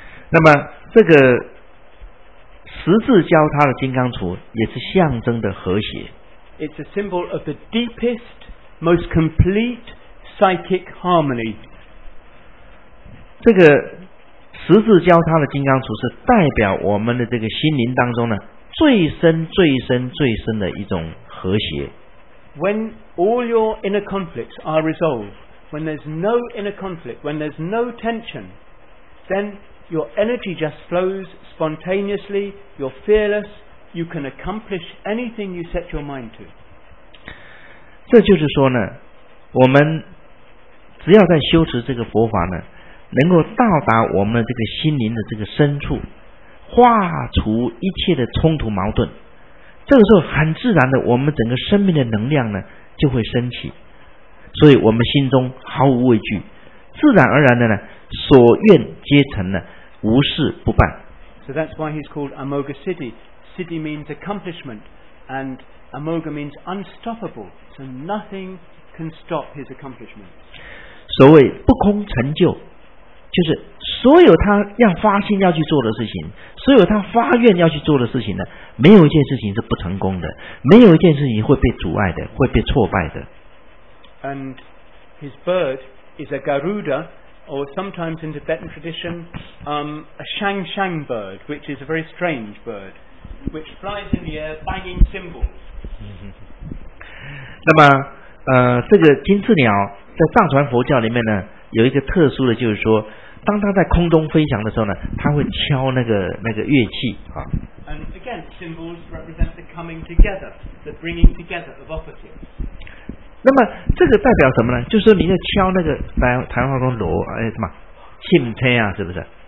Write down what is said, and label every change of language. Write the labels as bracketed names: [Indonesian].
[Chinese] 那么这个十字交叉的金刚杵也是象征的和谐。 [English] It's a symbol of the deepest, most complete psychic harmony. [Chinese] 这个十字交叉的金刚杵是代表我们的这个心灵当中呢最深、最深、最深的一种和谐。 [English] When all your inner conflicts are resolved. When there's no inner conflict, when there's no tension, then your energy just flows spontaneously, you're fearless, you can accomplish anything you set your mind to. [Chinese] 这就是说呢，我们只要在修持这个佛法呢，能够到达我们这个心灵的这个深处，化除一切的冲突矛盾，这个时候很自然的，我们整个生命的能量呢，就会升起。所以我们心中毫无畏惧，自然而然的呢，所愿皆成了，无事不办。 [English] So that's why he's called Amoghya City. City means accomplishment, and Amoghya means unstoppable. So nothing can stop his accomplishment. [Chinese] 所谓不空成就，就是所有他要发心要去做的事情，所有他发愿要去做的事情呢，没有一件事情是不成功的，没有一件事情会被阻碍的，会被挫败的。 [English] And his bird is a Garuda, or sometimes in Tibetan tradition, a Shang Shang bird, which is a very strange bird, which flies in the air banging cymbals. [Chinese] 那么，这个金翅鸟在藏传佛教里面呢，有一个特殊的，就是说，当它在空中飞翔的时候呢，它会敲那个乐器啊。 [English] And again, cymbals represent the coming together, the bringing together of opposites. [Chinese] 那么这个代表什么呢？就是你在敲那个台湾话中锣，哎什么，信天啊，是不是？